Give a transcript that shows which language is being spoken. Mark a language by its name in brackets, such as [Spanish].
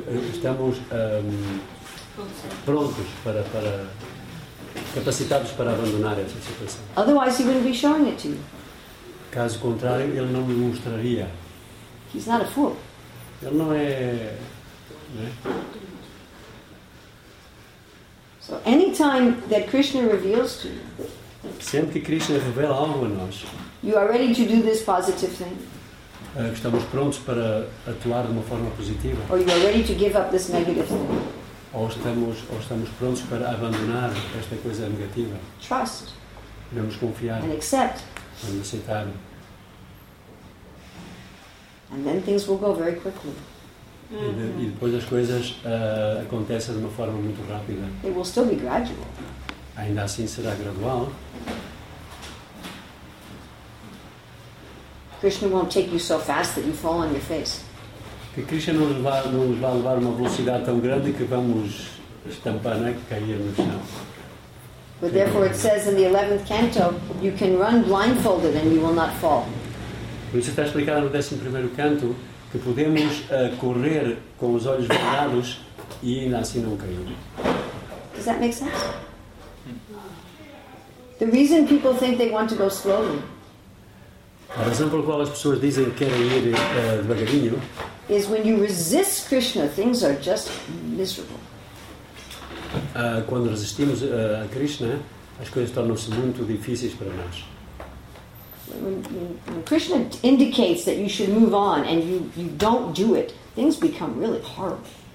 [Portuguese] Estamos prontos para capacitados para abandonar essa situação. [English] Otherwise he wouldn't be showing it to you. [Portuguese] Caso contrário, ele não me mostraria. [English] He's not a fool. [Portuguese] Ele não é, né? [English] So any time that Krishna reveals to you, [Portuguese] sempre que Krishna revela algo a nós, [English] you are ready to do this positive thing. [Portuguese] Estamos prontos para atuar de uma forma positiva. [English] Or you are ready to give up this negative thing. [Portuguese] Ou estamos prontos para abandonar esta coisa negativa. [English] Trust. [Portuguese] Devemos confiar. [English] And accept. [Portuguese] Vamos aceitar. [English] And then things will go very quickly. [Portuguese] E depois as coisas acontecem de uma forma muito rápida. [English] It will still be gradual. [Portuguese] Ainda assim será gradual. [English] Krishna won't take you so fast that you fall on your face. [Portuguese] Que Krishna não nos vai levar uma velocidade tão grande que vamos estampar, né, que cair no chão. [English] But therefore it says in the 11th canto, you can run blindfolded and you will not fall. [Portuguese] Por isso está explicado no 11º canto que podemos correr com os olhos vendados e ainda assim não cair. [English] Does that make sense? The reason people think they want to go slowly. [Portuguese] A razão pela qual as pessoas dizem que querem ir devagarinho. [English] Is when you resist Krishna, things are just miserable. [Portuguese] Quando resistimos a Krishna, as coisas tornam-se muito difíceis para nós. [English] When Krishna indicates that you should move on and you don't do it, things become really horrible.